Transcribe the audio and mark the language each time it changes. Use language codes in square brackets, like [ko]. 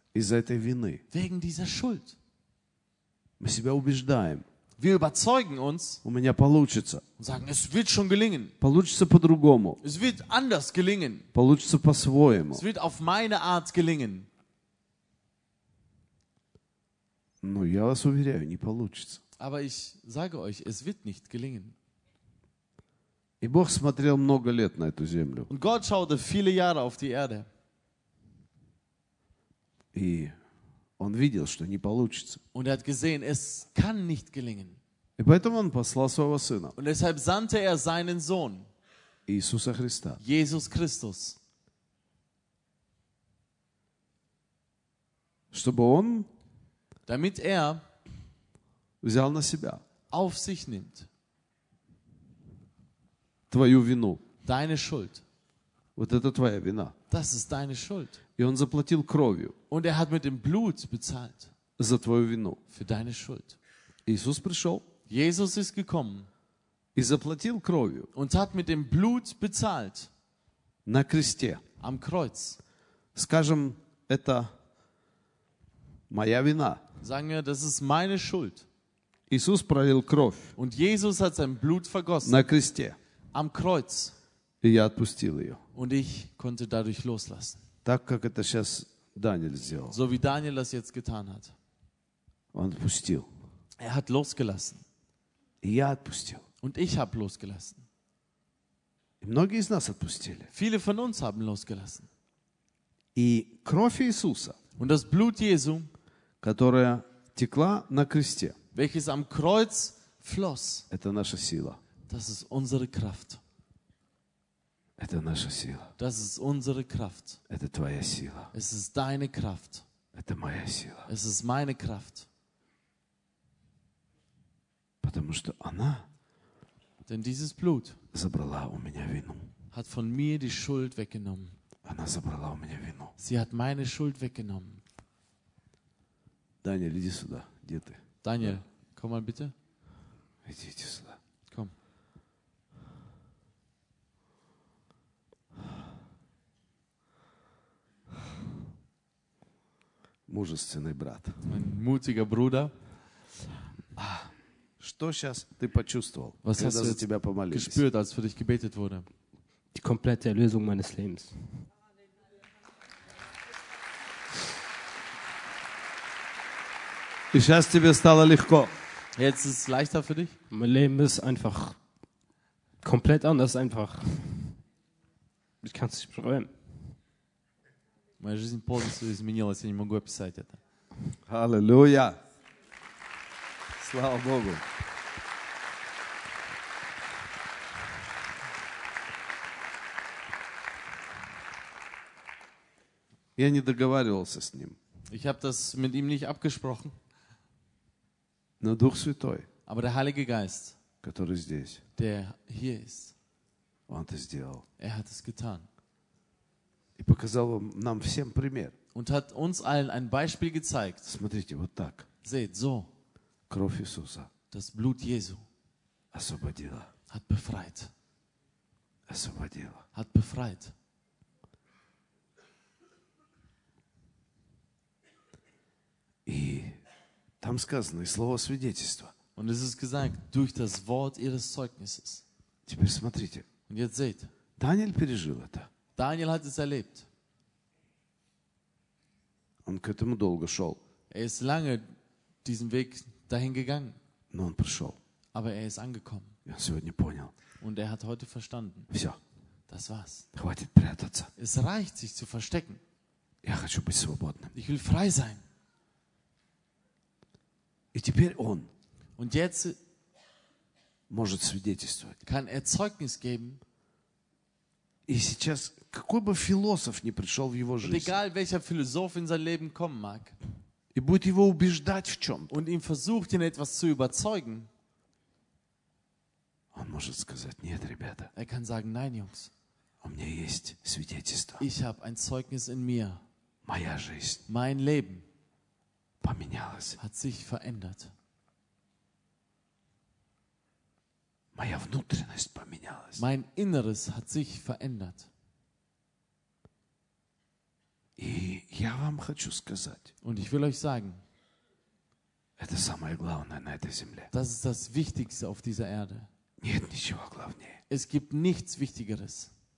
[ru] Из-за этой вины. [de] Wegen dieser Schuld. [ru] Мы себя убеждаем. [de] Wir überzeugen uns. [ru] У меня получится. [de] Und sagen, es wird schon gelingen. [ru] Получится по-другому. [de] Es wird anders gelingen. [ru] Получится по-своему. [de] Es wird auf meine Art gelingen. [ru] Ну, я вас уверяю, не получится. [de] Aber ich sage euch, es wird nicht gelingen. [ru] И Бог смотрел много лет на эту землю. [de] Und Gott schaute viele Jahre auf die Erde. [ru] И он видел, что не получится. [de] Und er hat gesehen, es kann nicht gelingen. [ru] И поэтому он послал своего сына. [de] Und deshalb sandte er seinen Sohn. [ru] Иисуса Христа. [de] Jesus Christus. [ru] Чтобы он [de] damit er [ru] взял на себя [de] auf sich nimmt [ru] твою вину. [de] Deine Schuld. [ru] Вот это твоя вина. [de] Das ist deine Schuld. [ru] И он заплатил кровью. [de] Und er hat mit dem Blut bezahlt [ru] за твою вину. [de] Für deine Schuld. [ru] Иисус пришел. [de] Jesus ist gekommen. [ru] И заплатил кровью. [de] Und hat mit dem Blut bezahlt [ru] на кресте. [de] Am Kreuz. [ru] Скажем, это моя вина. [de] Sagen wir, das ist meine Schuld. [ru] Иисус пролил кровь. [de] Und Jesus hat sein Blut vergossen. [ru] На кресте. [de] Am Kreuz. [ru] И я отпустил ее. [de] Und ich konnte dadurch loslassen. [ru] Так, как это сейчас Даниил сделал. [de] So wie Daniel das jetzt getan hat. [ru] Он отпустил. [de] Er hat losgelassen. [ru] И я отпустил. [de] Und ich habe losgelassen. [ru] И многие из нас отпустили. [de] Viele von uns haben losgelassen. [ru] И кровь Иисуса. [de] Und das Blut Jesu, [ru] которая текла на кресте. [de] Welches am Kreuz floss. [ru] Это наша сила. [de] Das ist unsere Kraft. [ru] Это наша сила. [de] Das ist unsere Kraft. [ru] Это твоя сила. [de] Es ist deine Kraft. [ru] Это моя сила. [de] Es ist meine Kraft. [ru] Потому что она [de] denn dieses Blut [ru] забрала у меня вину. [de] Hat von mir die Schuld weggenommen. [ru] Она забрала у меня вину. [de] Sie hat meine Schuld weggenommen. [ru] Daniel, иди сюда. Где ты? [de] Daniel, komm mal bitte. [ru] Идите сюда. [de] Komm. [ru] Мужественный брат. [de] Mein mutiger Bruder. [ru] Что сейчас ты почувствовал, [de] was [ru] когда за тебя помолились? [de] Gespürt, als für dich gebetet wurde? Die komplette Erlösung meines Lebens. [ru] И сейчас тебе стало легко. [de] Jetzt ist es leichter für dich? Mein Leben ist einfach komplett anders, einfach. Ich kann es nicht beschreiben. [ru] Моя жизнь полностью изменилась, я не могу описать это. Аллилуйя! Слава Богу! Я не договаривался с ним. [de] Ich habe das mit ihm nicht abgesprochen. [ru] Но Дух Святой, [de] aber der Heilige Geist, [ru] который здесь, [de] der hier ist, [ru] он это сделал. [de] Er hat es getan. [ru] И показал нам всем пример. [de] Und hat uns allen ein Beispiel gezeigt. [ru] Смотрите, вот так. [de] Seht, so. [ru] Кровь Иисуса. [de] Das Blut Jesu. [ru] Освободила. [de] Hat befreit. [ru] Освободила. [de] Hat befreit. [ru] И там сказано, и слово свидетельства. [de] Und es ist gesagt, durch das Wort ihres Zeugnisses. [ru] Теперь смотрите. [de] Und jetzt seht. [ru] Даниил пережил это. [de] Daniel hat es erlebt. [ru] Он к этому долго шел. [de] Er ist lange diesen Weg dahin gegangen. [ru] Но он пришел. [de] Aber er ist angekommen. [ru] Я сегодня понял. [de] Und er hat heute verstanden. [ru] Все. [de] Das war's. [ru] Хватит прятаться. [de] Es reicht, sich zu verstecken. [ru] Я хочу быть свободным. [de] Ich will frei sein. [ru] И теперь он [de] und jetzt [ru] может свидетельствовать. [de] Kann er Zeugnis geben. [ru] И сейчас какой бы философ ни пришел в его жизнь. [de] Und egal welcher Philosoph in sein Leben kommen mag. [ru] И будет его убеждать в чем-то. [de] Und ihn versucht ihn etwas zu überzeugen. [ru] Он может сказать: нет, ребята. [de] Er kann sagen: nein, Jungs. [ru] У меня есть свидетельство. [de] Ich habe ein Zeugnis in mir. [ru] Моя жизнь. [de] Mein Leben. [ru] Поменялось. [de] Hat sich verändert. [ru] Моя внутренность поменялась. [de] Mein Inneres hat sich verändert. [ru] И я вам хочу сказать. [de] Und ich will euch sagen. [ru] Это самое главное на этой земле. [de] Das ist das Wichtigste auf dieser Erde. [ru] Нет ничего главнее. [de] Es gibt nichts Wichtigeres.